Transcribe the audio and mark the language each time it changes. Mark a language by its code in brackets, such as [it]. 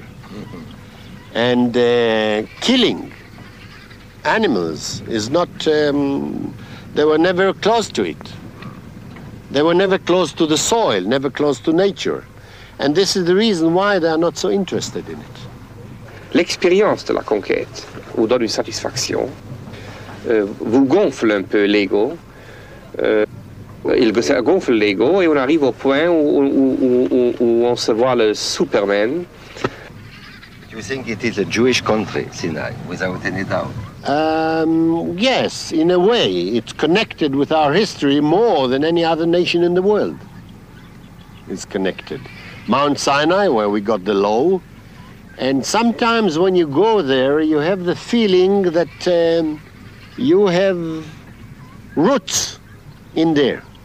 [en] Mm-hmm. And killing animals is not, they were never close to it. They were never close to the soil, never close to nature. And this is the reason why they are not so interested in it. [fr] L'expérience de la conquête vous donne une satisfaction, vous gonfle un peu l'ego, il gonfle l'ego et on arrive au point où on se voit le Superman. [en] Do you think it is a Jewish country, Sinai, without any doubt? Yes, in a way, it's connected with our history more than any other nation in the world. It's connected. Mount Sinai, where we got the law, and sometimes when you go there, you have the feeling that you have roots in there.